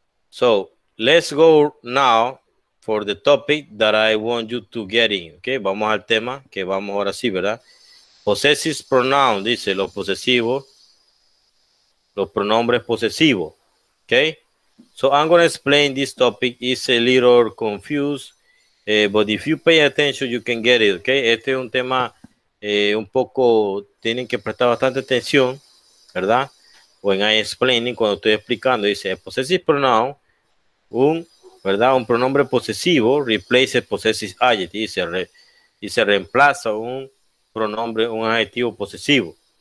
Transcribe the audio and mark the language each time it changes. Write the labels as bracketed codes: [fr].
[en] So, let's go now for the topic that I want you to get in. [es] Okay, vamos al tema que vamos ahora sí, ¿verdad? Possessive pronoun, dice los posesivos, los pronombres posesivos. [en] Okay, so I'm going to explain this topic. It's a little confused, but if you pay attention, you can get it. [es] Okay, este es un tema un poco, tienen que prestar bastante atención, ¿verdad? [en] When I'm explaining, [es] cuando estoy explicando, dice possessive pronoun. Un pronombre posesivo [en] replace a possessive adjective, [es] y se reemplaza un pronombre, un adjetivo posesivo.